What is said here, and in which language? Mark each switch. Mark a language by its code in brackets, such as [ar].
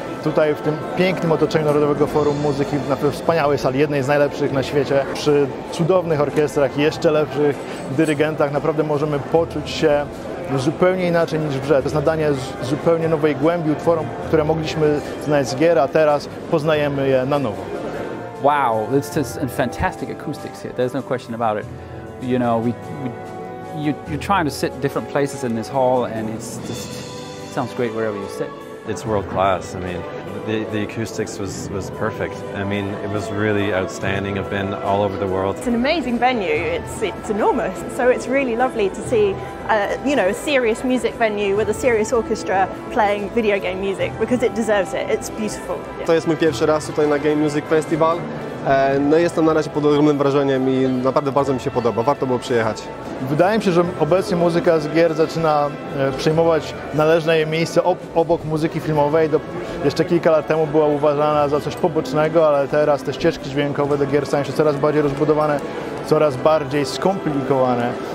[pl] Tutaj w tym pięknym otoczeniu Narodowego Forum Muzyki, na pewno wspaniałej sali, jednej z najlepszych na świecie, przy cudownych orkiestrach, jeszcze lepszych dyrygentach, naprawdę możemy poczuć się zupełnie inaczej niż w grze. To jest nadanie zupełnie nowej głębi utworom, które mogliśmy znać z gier, a teraz poznajemy je na nowo. [en] Wow, it's just a fantastic acoustics here, there's no question about it. You know, you're trying to sit different places in this hall, and it's just, it sounds great wherever you sit. It's world class. I mean, the acoustics was perfect. I mean, it was really outstanding. I've been all over the world. It's an amazing venue. It's enormous. So it's really lovely to see, a serious music venue with a serious orchestra playing video game music, because it deserves it. It's beautiful. [pl] To jest mój pierwszy raz tutaj na Game Music Festival. No jestem na razie pod ogromnym wrażeniem i naprawdę bardzo mi się podoba, warto było przyjechać. Wydaje mi się, że obecnie muzyka z gier zaczyna przejmować należne jej miejsce obok muzyki filmowej. Jeszcze kilka lat temu była uważana za coś pobocznego, ale teraz te ścieżki dźwiękowe do gier stają się coraz bardziej rozbudowane, coraz bardziej skomplikowane.